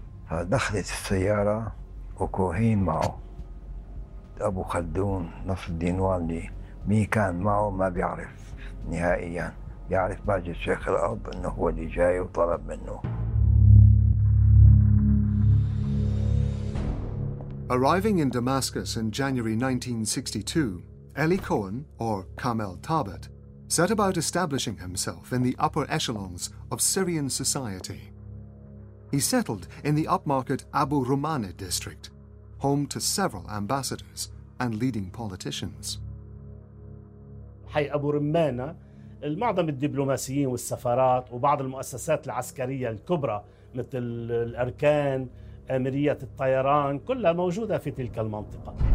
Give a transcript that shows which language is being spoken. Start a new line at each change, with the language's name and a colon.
Arabic: فدخلت السيارة وكوهين معه، أبو خلدون نصر الدين والي مين كان معه ما بيعرف نهائيا، يعرف ماجد شيخ الأرض انه هو اللي جاي وطلب منه.
English: Arriving in Damascus in January 1962, Eli Cohen or Kamel Tabet set about establishing himself in the upper echelons of Syrian society. He settled in the upmarket Abu Rumane district, home to several ambassadors and leading politicians.
Arabic: حي أبو رمانة معظم الدبلوماسيين والسفارات وبعض المؤسسات العسكرية الكبرى مثل الأركان أميرية الطيران كلها موجودة في تلك المنطقة.